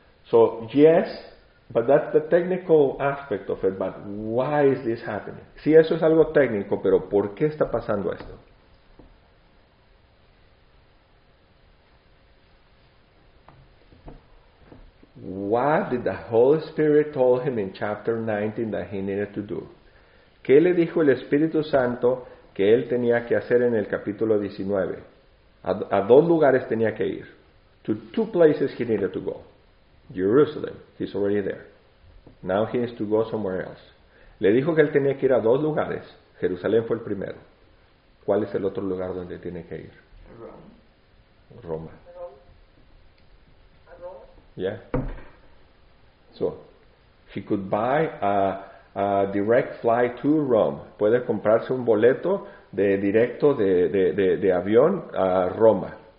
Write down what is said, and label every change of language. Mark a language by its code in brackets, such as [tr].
[en] So, yes, but that's the technical aspect of it, but why is this happening? [es] Sí, eso es algo técnico, pero ¿por qué está pasando esto? [en] What did the Holy Spirit tell him in chapter 19 that he needed to do? [es] ¿Qué le dijo el Espíritu Santo que él tenía que hacer en el capítulo 19? A dos lugares tenía que ir. [en] To two places he needed to go. Jerusalem, he's already there. Now he needs to go somewhere else. [es] Le dijo que él tenía que ir a dos lugares. Jerusalén fue el primero. ¿Cuál es el otro lugar donde tiene que ir? Roma. Roma. [en] Yeah. So, he could buy a direct flight to Rome. [es] Puede comprarse un boleto de directo de avión a Roma.